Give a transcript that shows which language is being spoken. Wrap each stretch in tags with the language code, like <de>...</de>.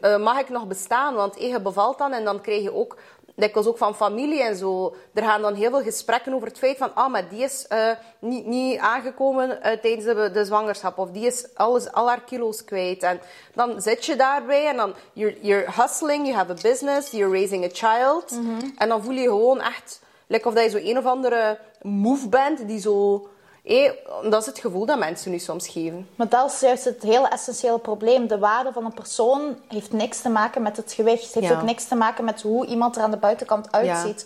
<nl>Mag ik nog bestaan? Want je bevalt dan. En dan krijg je ook... Ik was ook van familie en zo. Er gaan dan heel veel gesprekken over het feit van... Ah, maar die is niet aangekomen tijdens de zwangerschap. Of die is al haar kilo's kwijt. En dan zit je daarbij en dan...</nl> <en>You're hustling, you have a business, you're raising a child. Mm-hmm.</en> <nl>En dan voel je gewoon echt... Like of dat je zo een of andere move bent die zo... dat is het gevoel dat mensen nu soms geven. Maar dat is juist het hele essentiële probleem. De waarde van een persoon heeft niks te maken met het gewicht. Het heeft ook niks te maken met hoe iemand er aan de buitenkant uitziet.</nl>